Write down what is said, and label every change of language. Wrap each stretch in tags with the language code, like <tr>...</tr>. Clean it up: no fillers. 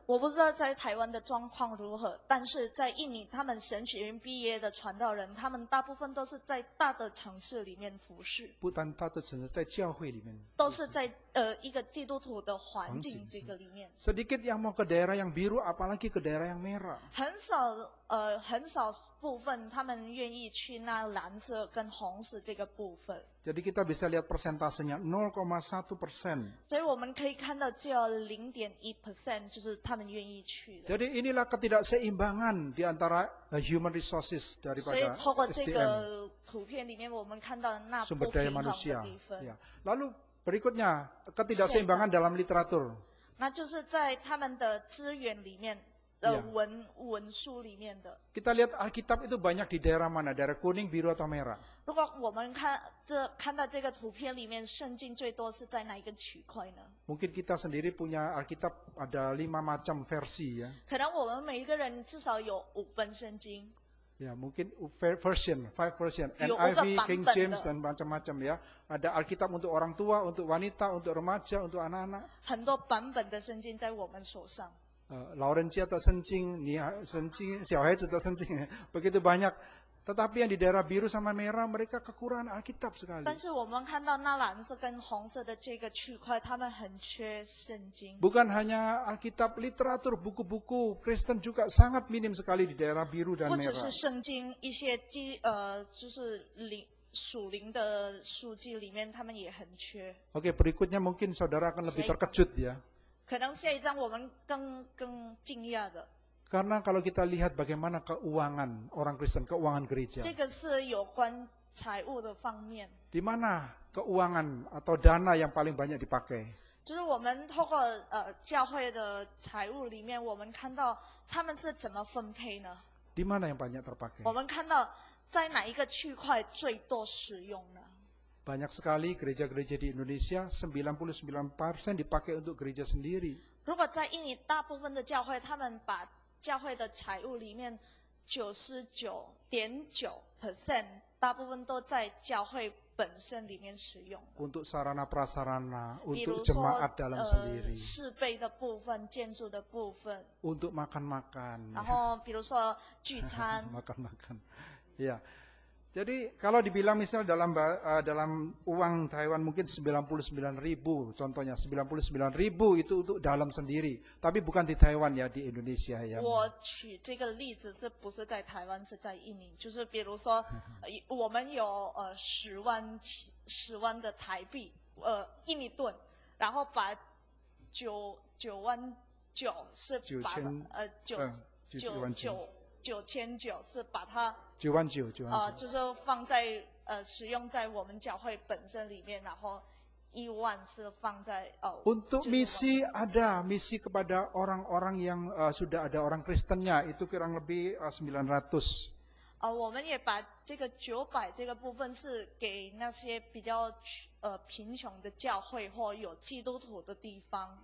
<zh>我不知道在台湾的状况如何，但是在印尼，他们神学院毕业的传道人，他们大部分都是在大的城市里面服事。不单大的城市，在教会里面。都是在一个基督徒的环境这个里面。</zh> <id>Sedikit yang mau ke daerah yang biru, apalagi ke daerah yang merah.</id> <zh>很少很少部分他们愿意去那蓝色跟红色这个部分。</zh> <id>Jadi kita bisa lihat persentasenya 0.1%.</id> <zh>所以我们可以看到只有 0.1% 就是他们愿意去的。</zh> <id>Jadi inilah ketidakseimbangan di antara</id> <en>human resources</en> <id>daripada SDM.</id> <zh>所以透过这个图片里面我们看到那不平衡的</zh> <id>sumber daya manusia. Yeah. Lalu berikutnya ketidakseimbangan dalam literatur.</id> <zh>那就是在他们的资源里面文书里面的。</zh> <id>Kita lihat Alkitab itu banyak di daerah mana? Daerah kuning, biru atau merah?</id> <zh>如果我们 看到这个图片里面圣经最多是在哪一个区块呢？</zh> <id>Mungkin kita sendiri punya Alkitab ada 5 macam versi ya.</id> <zh>可能我们每一个人至少有五本圣经。</zh> <id>Ya, mungkin version, 5 version. NIV, King James, dan macam-macam ya. Ada Alkitab untuk orang tua, untuk wanita, untuk remaja, untuk anak-anak.</id> <zh>很多版本的圣经在我们手上。老人家的圣经，你圣经，小孩子的圣经</zh> <id>begitu banyak。 Tetapi yang di daerah biru sama merah mereka kekurangan Alkitab sekali.</id> <zh>但是我们看到那蓝色跟红色的这个区块，他们很缺圣经。</zh> <id>Bukan hanya Alkitab, literatur, buku-buku Kristen juga sangat minim sekali di daerah biru dan merah.</id> <zh>不只是圣经，一些就是属灵的书籍里面，他们也很缺。</zh> <id>Okay, berikutnya mungkin saudara akan lebih terkejut ya.</id> <zh>可能下一章我们更惊讶的。</zh> <id>Karena kalau kita lihat bagaimana keuangan orang Kristen, keuangan gereja.</id> <zh>这个是有关财务的方面。</zh> <id>Di mana keuangan atau dana yang paling banyak dipakai?</id> <zh>就是我们透过教会的财务里面，我们看到他们是怎么分配呢？</zh> <id>Di mana yang banyak terpakai?</id> <zh>我们看到在哪一个区块最多使用呢？</zh> <id>Banyak sekali gereja-gereja di Indonesia, 99% dipakai untuk gereja sendiri.</id> <zh>如果在印尼，大部分的教会他们把教会的财务里面 99.9% 大部分都在教会本身里面使用。</zh> <id>Untuk sarana prasarana, untuk jemaat dalam sendiri.</id> <zh>设备的部分，建筑的部分。</zh> <id>Untuk makan-makan.</id> <zh>然后比如说聚餐。</zh> <id>makan-makan. Ya. Jadi kalau dibilang misalnya dalam uang Taiwan mungkin 99.000 contohnya 99.000 itu untuk dalam sendiri tapi bukan di Taiwan ya di Indonesia ya.</id> <zh>我举这个例子是不是在台湾是在印尼，就是比如说我们有十万的台币印尼盾，然后把九千九是把它九万九，就是放在使用在我们教会本身里面，然后一万是放在</zh> <id>Untuk misi ada misi kepada orang-orang yang sudah ada orang Kristennya itu kurang lebih 900.</id> <zh>我们也把这个九百这个部分是给那些比较贫穷的教会或有基督徒的地方。</zh>